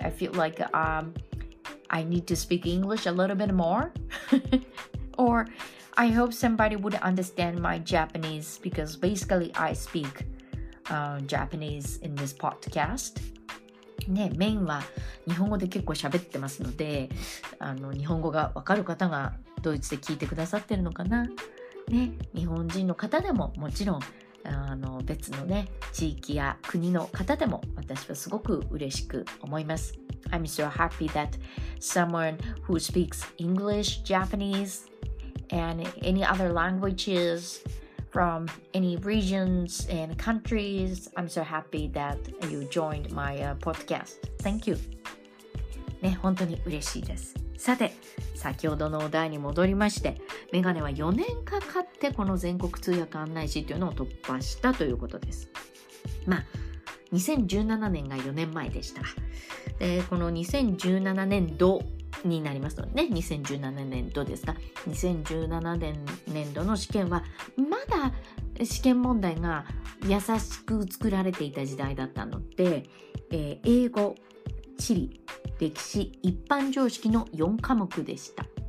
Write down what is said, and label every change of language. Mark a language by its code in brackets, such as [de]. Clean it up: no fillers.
[en] I feel like I need to speak English a little bit more or I hope somebody would understand my Japanese because basically I speakJapanese in this podcast. [ja] ね、メインは日本語で結構喋ってますので、日本語がわかる方がドイツで聞いてくださってるのかな。ね、日本人の方でももちろん別のね地域や国の方でも私はすごく嬉しく思います。 [en] I'm so happy that someone who speaks English, Japanese, and any other languages. From any regions and countries, I'm so happy that you joined my podcast. Thank you. [ja] ね、本当に嬉しいです。さて、先ほどのお題に戻りまして、メガネは4年かかってこの全国通訳案内士というのを突破したということです。まあ、2017年が4年前でした。で、この2017年度になりますのでね、2017年度ですか、2017年年度の試験はまだ試験問題が優しく作られていた時代だったので、英語、地理、歴史、一般常識の4科目でした。